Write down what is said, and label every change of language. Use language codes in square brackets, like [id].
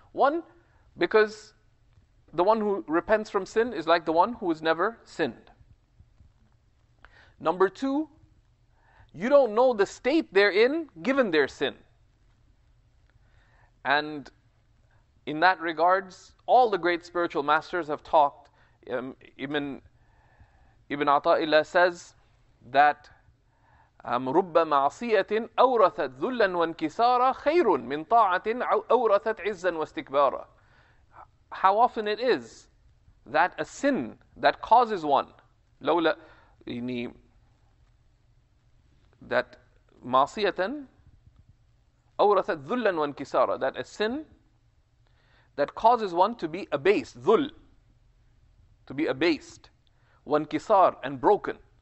[en] One, because the one who repents from sin is like the one who has never sinned. Number two, you don't know the state they're in given their sin. And in that regards, all the great spiritual masters have talked. Ibn Ata'illah says that [ar] رُبَّ مَعْصِيَةٍ أَوْرَثَتْ ذُلًّا وَانْكِسَارًا خَيْرٌ مِنْ طَاعَةٍ أَوْرَثَتْ عِزًّا وَاسْتِكْبَارًا. [en] How often it is that a sin that causes one, [ar] لَوْلَا إِنِي [en] that [ar] ma'asiyatan awrathat dhullan wa inkisara, [en] that a sin that causes one to be abased, dhull, to be abased, wa inkisar, and broken.